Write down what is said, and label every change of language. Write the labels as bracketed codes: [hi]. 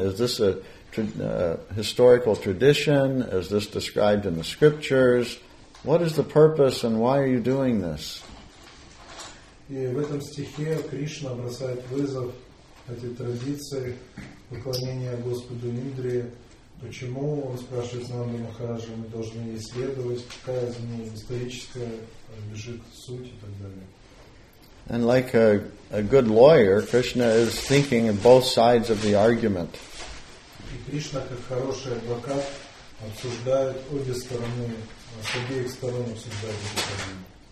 [en] Is this a historical tradition? Is this described in the scriptures? What is the purpose, and why are you doing this? [ru] И в этом стихе Кришна бросает вызов этой традиции поклонения Господу Индре. Почему, он спрашивает Нанда Махараджа, мы должны ей следовать, какая из ней историческая, лежит суть и так далее. [en] And like a good lawyer, Krishna is thinking of both sides of the argument. [ru] И Кришна, как хороший адвокат, обсуждает обе стороны, с обеих сторон обсуждает эту проблему.